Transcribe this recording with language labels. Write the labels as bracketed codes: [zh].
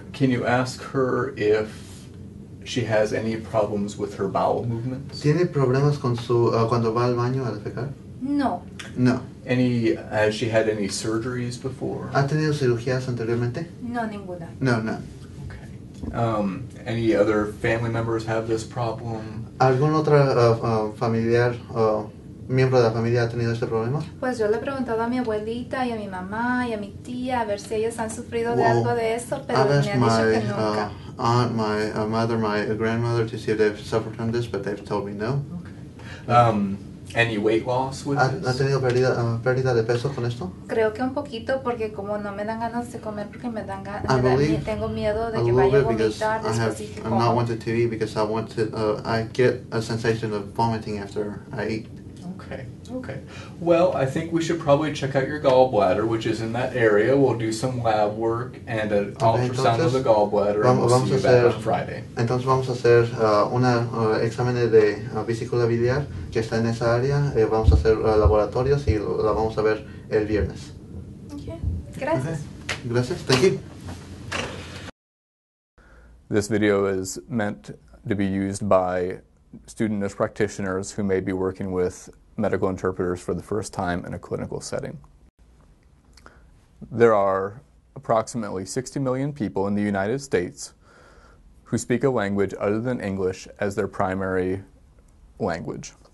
[en] Can you ask her if she has any problems with her bowel movements? [es] ¿Tiene problemas con su cuando va al baño a defecar? No. [en] No. Has she had any surgeries before? [es] ¿Ha tenido cirugías anteriormente? No, ninguna. [en] No, none. Okay. Any other family members have this problem? [es] ¿Algún otro familiar o miembro de la familia ha tenido este problema? Pues yo le he preguntado a mi abuelita y a mi mamá y a mi tía a ver si ellos han sufrido de algo de eso, pero me han dicho que nunca. [en] Aunt, my mother, my grandmother, to see if they've suffered from this, but they've told me no. Okay. Any weight loss with this? [es] ¿Ha tenido pérdida de peso con esto? Creo que un poquito porque como no me dan ganas de comer porque me dan ganas de dormir y tengo miedo de que vaya a vomitar después de que [en] I'm not wanted to eat because I want to, I get a sensation of vomiting after I eat. Okay. Well, I think we should probably check out your gallbladder, which is in that area. We'll do some lab work and an ultrasound of the gallbladder, and we'll see you back on Friday. [es] Entonces vamos a hacer un examen de vesícula biliar que está en esa área. Vamos a hacer laboratorios y la vamos a ver el viernes. Okay. Gracias. [en] Thank you. This video is meant to be used by student nurse practitioners who may be working with medical interpreters for the first time in a clinical setting. There are approximately 60 million people in the United States who speak a language other than English as their primary language.